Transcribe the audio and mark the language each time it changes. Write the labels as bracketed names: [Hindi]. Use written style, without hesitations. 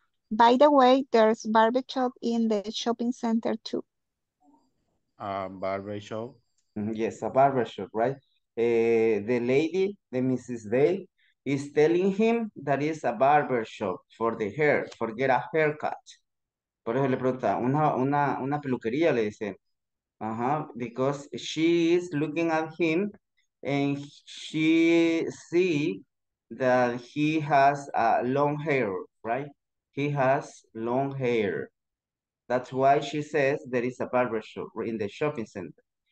[English] By the way, there's a barbershop in the shopping center too. A barbershop? Yes, a barbershop, right? The lady, the Mrs. Day, is telling him that is a barbershop for the hair, for get a haircut. [Spanish] Por eso le pregunta, una peluquería, le dice. [English] Because she is looking at him and she see that he has a long hair, right? He has long hair. That's why she says there is a barbershop in the shopping center.